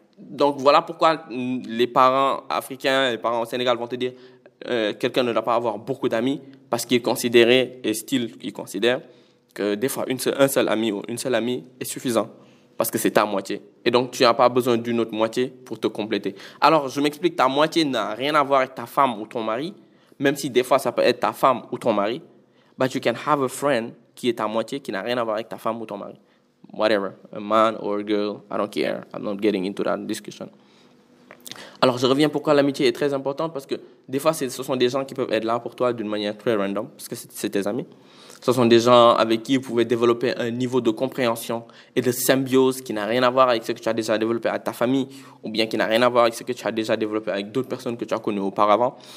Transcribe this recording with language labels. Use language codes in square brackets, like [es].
[fr] Donc voilà pourquoi les parents africains, les parents au Sénégal vont te dire quelqu'un ne doit pas avoir beaucoup d'amis parce qu'il est considéré, et [en] still [fr] il considère, que des fois un seul ami ou une seule amie est suffisant parce que c'est ta moitié. Et donc, tu n'as pas besoin d'une autre moitié pour te compléter. Alors, je m'explique, ta moitié n'a rien à voir avec ta femme ou ton mari, même si des fois, ça peut être ta femme ou ton mari. [en] But you can have a friend [fr] qui est ta moitié, qui n'a rien à voir avec ta femme ou ton mari. [en] Whatever, a man or a girl, I don't care. I'm not getting into that discussion. [fr] Alors, je reviens pourquoi l'amitié est très importante, parce que des fois, ce sont des gens qui peuvent être là pour toi d'une manière très random, parce que c'est tes amis. Ce sont des gens avec qui vous pouvez développer un niveau de compréhension et de symbiose qui n'a rien à voir avec ce que tu as déjà développé avec ta famille, ou bien qui n'a rien à voir avec ce que tu as déjà développé avec d'autres personnes que tu as connues auparavant.